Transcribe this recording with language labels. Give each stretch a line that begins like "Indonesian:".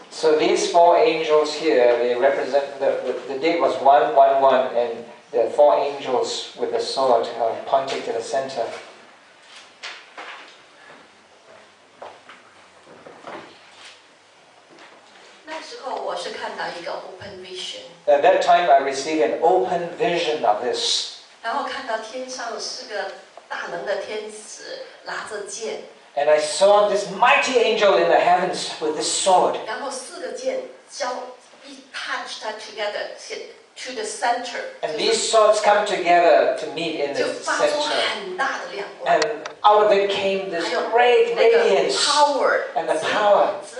English: So these four angels here, they represent the date was 111 and the four angels with the sword pointing to the center.
Chinese: 那时候我是看到一个
English: open vision. At that time, I received an open vision of this.
Chinese: 然后看到天上四个大能的天使拿着剑。
English: And I saw this mighty angel in the heavens with this sword.
Chinese: 然后四个剑交一
English: touch that together. To the center. And these swords come together to meet in the center. And out of it came this great radiance. And the power.